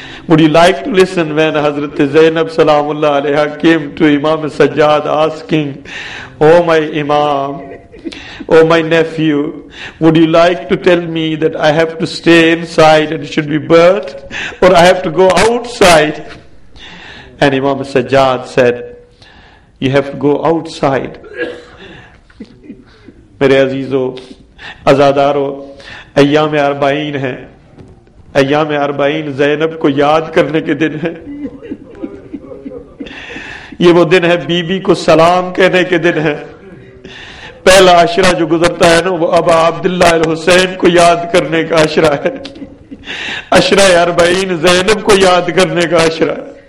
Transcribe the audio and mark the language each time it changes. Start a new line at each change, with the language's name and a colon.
English: would you like to listen when Hazrat Zainab سلام اللہ علیہ came to Imam Sajjad asking, oh my Imam, oh my nephew, would you like to tell me that I have to stay inside and should be burnt, or I have to go outside? And Imam Sajjad said, you have to go outside.
Urdu: میرے عزیزو، عزادارو، ایام اربعین ہیں، ایام اربعین زینب کو یاد کرنے کے دن ہیں. یہ وہ دن ہے بی بی کو سلام کہنے کے دن ہیں. پہلا عشرہ جو گزرتا ہے نا، وہ ابا عبداللہ الحسین کو یاد کرنے کا عشرہ ہے، عشرہ اربعین زینب کو یاد کرنے کا عشرہ ہے.